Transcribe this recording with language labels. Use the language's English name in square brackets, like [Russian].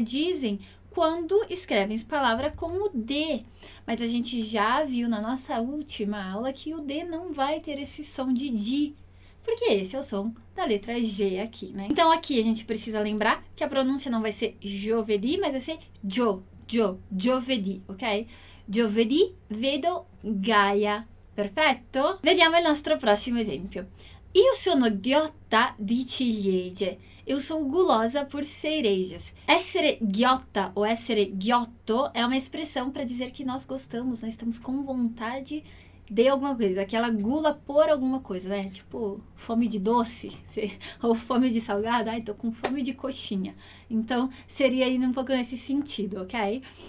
[Portuguese] Dizem quando escrevem essa palavra com o D. Mas a gente já viu na nossa última aula que o D não vai ter esse som de D, porque esse é o som da letra G aqui, né? Então, aqui a gente precisa lembrar que a pronúncia não vai ser Giovedì, mas vai ser Giovedì, ok? [Italian] Giovedì vedo Gaia, perfetto? Vediamo il nostro prossimo esempio. Io sono ghiotta di ciliegie. [Portuguese] Eu sou gulosa por cerejas. [Italian] Essere ghiotta [Portuguese] ou [Italian] essere ghiotto [Portuguese] é uma expressão para dizer que nós gostamos, né? Estamos com vontade de alguma coisa. Aquela gula por alguma coisa, né? Tipo, fome de doce ou fome de salgado. Ai, tô com fome de coxinha. Então, seria aí um pouco nesse sentido, ok?